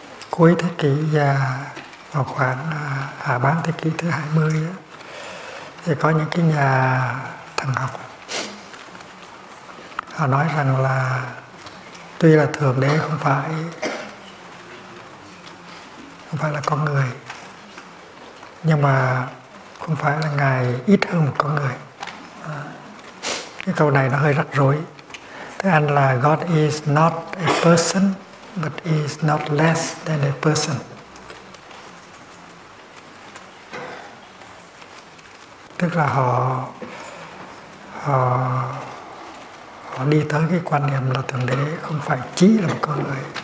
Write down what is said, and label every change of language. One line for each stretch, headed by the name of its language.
Vietnamese: Cuối thế kỷ và vào khoảng hạ bán thế kỷ thứ 20 á, thì có những cái nhà thần học họ nói rằng là tuy là Thượng Đế không phải là con người, nhưng mà không phải là Ngài ít hơn một con người. Cái câu này nó hơi rắc rối. Thế anh là
English: God is not a person but is not less than a person.
Vietnamese: Tức là họ đi tới cái quan niệm là Thượng Đế không phải chỉ là một con người.